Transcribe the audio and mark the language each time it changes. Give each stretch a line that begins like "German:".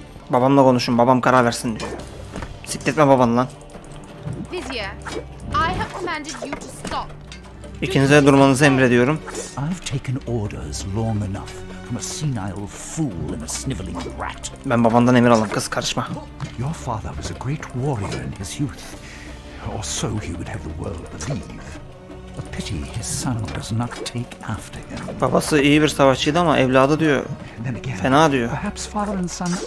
Turkish: Babamla konuşun, babam karar versin diyor. Sikletme baban lan.
English: Vizier, I have commanded you to stop.
Turkish: İkinize durmanızı emrediyorum.
English: I've taken orders long enough from a senile fool and a sniveling rat.
Turkish: Ben babandan emir alın kız, karışma.
English: Your father was a great warrior in his youth, or so he would have the world believe. A pity his son does not take after him.
Turkish: Babası iyi bir savaşçıydı ama evladı diyor, fena diyor.
English: Perhaps father and son.